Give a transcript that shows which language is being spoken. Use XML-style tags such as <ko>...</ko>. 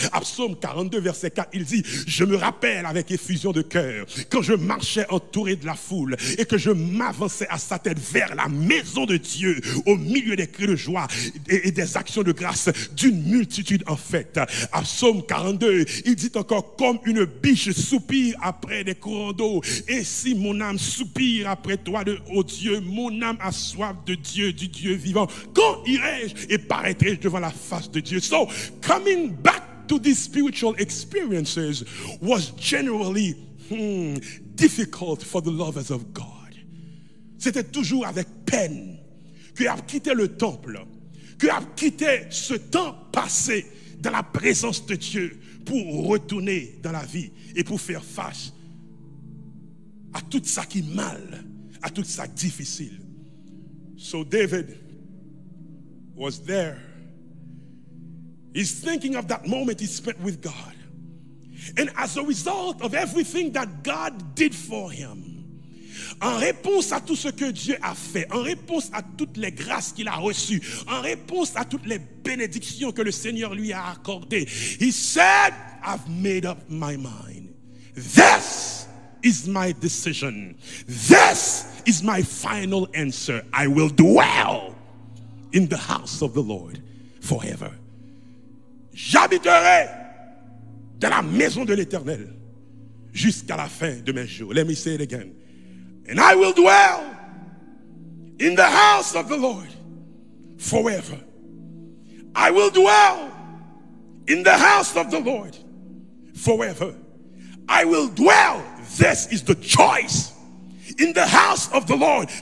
<fr>À Psaume 42, verset 4, il dit, je me rappelle avec effusion de cœur quand je marchais entouré de la foule et que je m'avançais à sa tête vers la maison de Dieu au milieu des cris de joie et des actions de grâce d'une multitude en fête. À Psaume 42, il dit encore, comme une biche soupire après des courants d'eau et si mon âme soupire après toi, ô Dieu, mon âme a soif de Dieu, du Dieu vivant. Quand irai-je et paraîtrai-je devant la face de Dieu?</fr> <en>So, coming back to these spiritual experiences was generally difficult for the lovers of God.</en> <fr>C'était toujours avec peine que a quitté le temple, que a quitté ce temps passé dans la présence de Dieu pour retourner dans la vie et pour faire face à tout ça qui est mal, à tout ça difficile.</fr> <en>So David was there. He's thinking of that moment he spent with God. And as a result of everything that God did for him,</en> <fr>en réponse à tout ce que Dieu a fait, en réponse à toutes les grâces qu'il a reçues, en réponse à toutes les bénédictions que le Seigneur lui a accordées,</fr> <en>he said, I've made up my mind. This is my decision. This is my final answer. I will dwell in the house of the Lord forever.</en> <fr>J'habiterai dans la maison de l'Éternel jusqu'à la fin de mes jours.</fr> <en>Let me say it again. And I will dwell in the house of the Lord forever. I will dwell in the house of the Lord forever. I will dwell. This is the choice in the house of the Lord.</en>